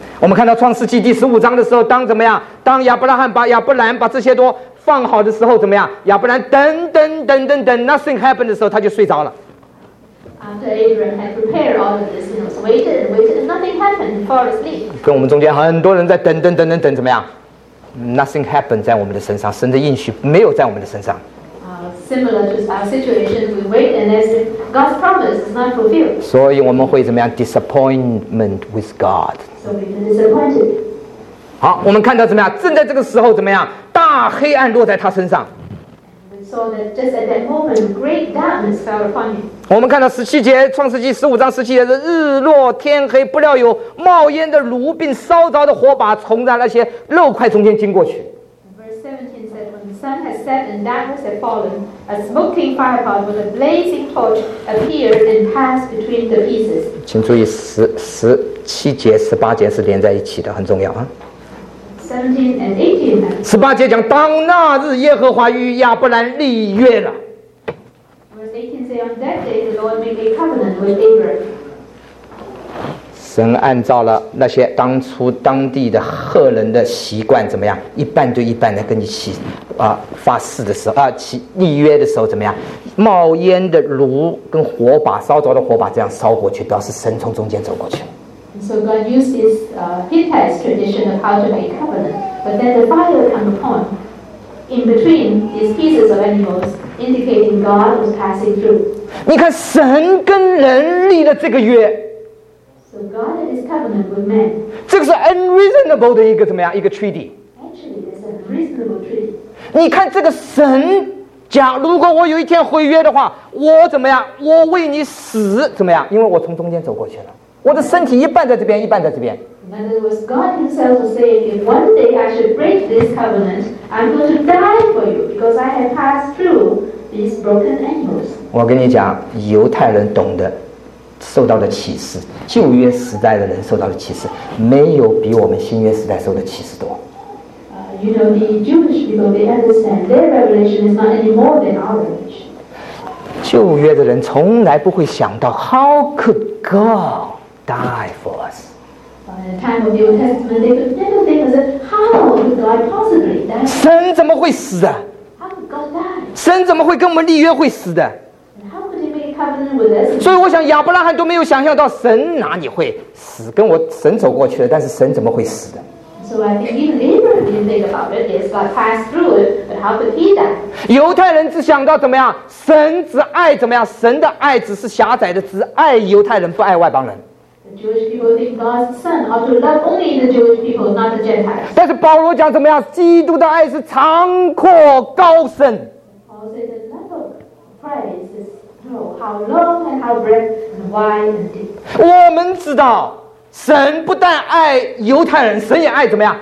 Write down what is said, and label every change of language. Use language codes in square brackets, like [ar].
[zh] 我们看到创世纪第十五章的时候，当怎么样？当亚伯拉罕把亚伯兰把这些都放好的时候，怎么样？亚伯兰等 ， [en] nothing happened [zh] 的时候，他就睡着了。 [en] After Abraham had prepared all of this, he was waited and nothing happened. He fell asleep. [zh] 跟我们中间很多人在等怎么样？ [en] Nothing happened [zh] 在我们的身上，神的应许没有在我们的身上。 [en] Similar to our situation, we wait and as God's promise is not fulfilled. [zh] 所以我们会怎么样 ？ [en] Disappointment with God. So we're disappointed. [zh] 好，我们看到怎么样？正在这个时候怎么样？大黑暗落在他身上。 [en] We saw that just at that moment, great darkness fell upon him. [zh] 我们看到十七节，创世纪十五章十七节是日落天黑，不料有冒烟的炉并烧着的火把从在那些肉块中间经过去。 [en] Verse 17 said, when the sun had set and darkness had fallen, a smoking firepot with a blazing torch appeared and passed between the pieces. [zh] 请注意十七节、十八节是连在一起的，很重要啊。 [en] 17 and 18. [zh] 十八节讲，当那日耶和华与亚伯兰立约了。 [en] Verse 18 say, on that day the Lord made a covenant with Abraham. [zh] 神按照了那些当初当地的赫人的习惯，怎么样？一半对一半来跟你起发誓的时候起立约的时候，怎么样？冒烟的炉跟火把烧着的火把这样烧过去，表示神从中间走过去。 [en] So God used this Hittite tradition of how to make covenant, but then the fire come upon in between these pieces of animals indicating God was passing through. [zh] 你看神跟人立的这个约。 [en] So God and His covenant with men. [zh] 这个是 unreasonable 的一个怎么样一个 treaty. [en] Actually, it's an unreasonable treaty. [zh] 你看这个神讲，如果我有一天毁约的话，我怎么样？我为你死怎么样？因为我从中间走过去了。我的身体一半在这边，一半在这边。 [en] In other words, God Himself was saying, if one day I should break this covenant, I'm going to die for you because I have passed through these broken animals. [zh] 我跟你讲，犹太人懂得，受到的启示，旧约时代的人受到的启示，没有比我们新约时代受的启示多。 [en] You know, the Jewish people, they understand their revelation is not any more than our revelation. [zh] 旧约的人从来不会想到 [en] how could God. Die for us. In the time of the Old Testament, they would never think as if, how could God possibly die? [zh] 神怎么会死的？ [en] How could God die? [zh] 神怎么会跟我们立约会死的？ [en] How could He make covenant with us? [zh] 所以我想亚伯拉罕都没有想象到神哪里会死，跟我神走过去了，但是神怎么会死的？ [en] So I think even Abraham didn't think about it. It's like passed through it, but how could he die? [zh] 犹太人只想到怎么样？神只爱怎么样？神的爱只是狭窄的，只爱犹太人，不爱外邦人。 [en] Jewish people think God's son ought to love only the Jewish people, not the Gentiles. [zh] 但是保罗讲怎么样？基督的爱是长阔高深。 [en] Paul said the love of Christ is how long and how breadth and wide and deep. [zh] 我们知道神不但爱犹太人，神也爱怎么样？